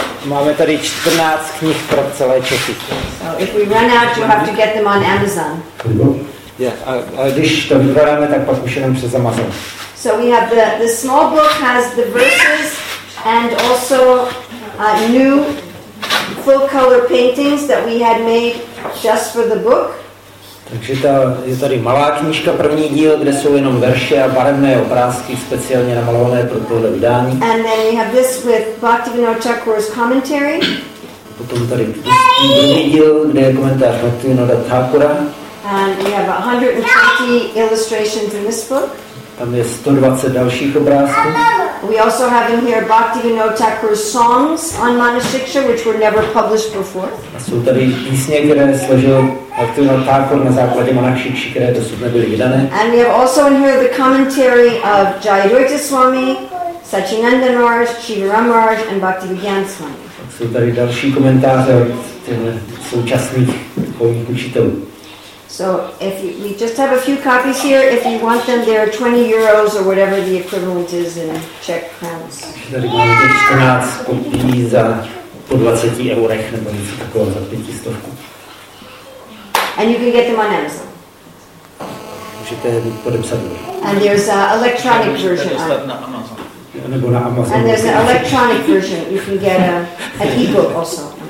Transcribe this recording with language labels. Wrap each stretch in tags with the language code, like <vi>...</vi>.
<cs>Máme tady 14 knih pro celé Čechy.</cs> <en>So if we run out, you'll have to get them on Amazon.</en> <cs>Yeah, a když to vybereme, tak pak už jenom přes Amazon.</cs> <en>So we have the small book has the verses and also new full color paintings that we had made just for the book.</en> <cs>Takže ta, je tady malá knížka, první díl, kde jsou jenom verše a barevné obrázky speciálně namalované pro tohle vydání.</cs> <en>And then we have this with Bhaktivinoda Thakura's commentary.</en> <cs>A potom tady druhý díl, kde je komentář Bhaktivinoda Thakura.</cs> <en>And we have 120 illustrations in this book.</en> <cs>Tam je 120 dalších obrázků.</cs> <en>We also have in here Bhaktivinoda Thakura's songs on Manashiksha, which were never published before.</en> <cs>A jsou tady písně, které složil Bhaktivinoda Thakura na základě Manashikshi, které dosud nebyly vydané.</cs> <en>And we have also in here the commentary of Jayadvaita Swami, Sachinanda Maharaj, Chidambaram Maharaj and Bhaktivedanta Swami.</en> <cs>Jsou tady další komentáře od těchto současných duchovních učitelů.</cs> <en>So if you, we just have a few copies here, if you want them, they are 20 euros or whatever the equivalent is in Czech crowns.</en> <cs>Tady máme těch 14 kopií za po 20 eurech nebo něco takového za 500.</cs> <en>And you can get them on Amazon.</en> <cs>Můžete je podepsat.</cs> <en>And there's an electronic version.</en> <cs>Nebo na Amazon.</cs> <en>And there's an electronic version. You can get an e-book also.</en>